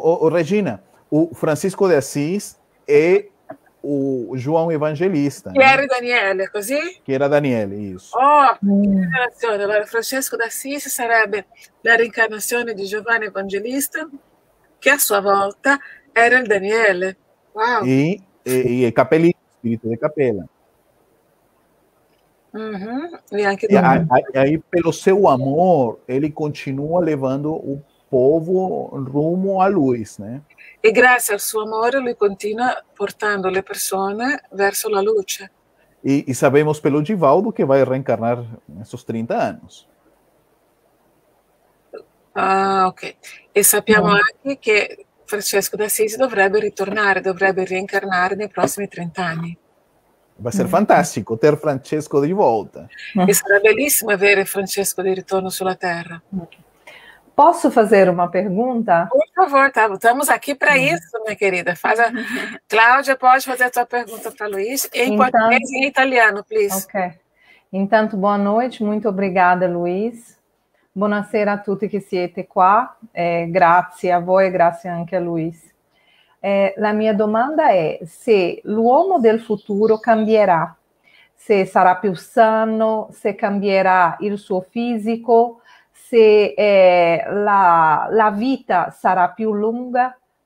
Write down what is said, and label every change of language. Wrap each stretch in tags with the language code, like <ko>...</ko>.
<pt>Regina, o Francisco de Assis é o João Evangelista. Que era Daniele, così? Que era Daniele, isso.</pt> <it>Oh, che rivelazione. Allora, Francesco d'Assis sarebbe la reincarnazione di Giovanni Evangelista, che a sua volta era il Daniele. Wow. E Capellino, spirito di Capella. E</it> <pt>aí, pelo seu amor, ele continua levando o povo rumo à luz, né?</pt> <it>E grazie al suo amore lui continua portando le persone verso la luce.</it> <pt>E sabemos pelo Divaldo que vai reencarnar nesses 30 anos. Ah, ok.</pt> <it>E sappiamo anche che Francesco d'Assisi dovrebbe ritornare, dovrebbe reincarnare nei prossimi 30 anni.</it> <pt>Vai essere fantastico ter Francesco di volta.</pt> <it>E sarà bellissimo avere Francesco di ritorno sulla Terra. Posso fare una pergunta?</it> <pt>Por favor, tá? Estamos aqui para isso, minha querida. Cláudia, pode fazer a tua pergunta para Luiz em Então, português e em italiano, please. ok. Intanto, boa noite, muito obrigada, Luiz.</pt> <it>Buonasera a tutti che siete qua. Grazie a voi e grazie anche a Luiz. La mia domanda è se l'uomo del futuro cambierà, se sarà più sano, se cambierà il suo fisico, se la vita sarà più longa.</it>